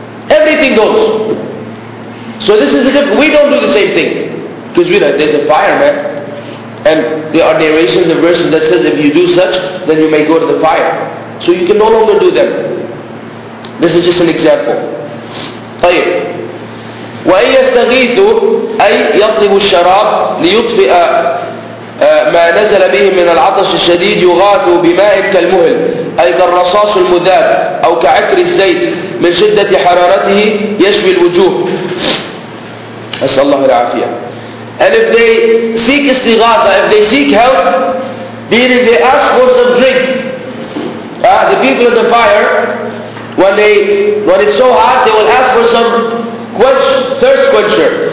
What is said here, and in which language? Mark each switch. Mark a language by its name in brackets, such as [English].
[English] Everything goes. So this is the difference. We don't do the same thing. Because we know there's a fire, man. And there are narrations and verses that says if you do such, then you may go to the fire. So you can no longer do them. This is just an example. [Arabic] طيب. وَأَنْ يَسْتَغِيثُ أَيْ يَطْلِبُ الشَّرَابِ لِيُطْفِئَ مَا نَزَلَ بِهِ مِنَ الْعَطَسِ الشَّدِيدِ يُغَاثُ بِمَاءٍ كَالْمُهِلِ أي كالرصاص المذاب أو كعكر الزيت من شدة حرارته يشوي الوجوه. أسأل الله العافية. [English] And if they seek istighatha, if they seek help, meaning they ask for some drink, the people in the fire, when it's so hot, they will ask for some thirst quencher.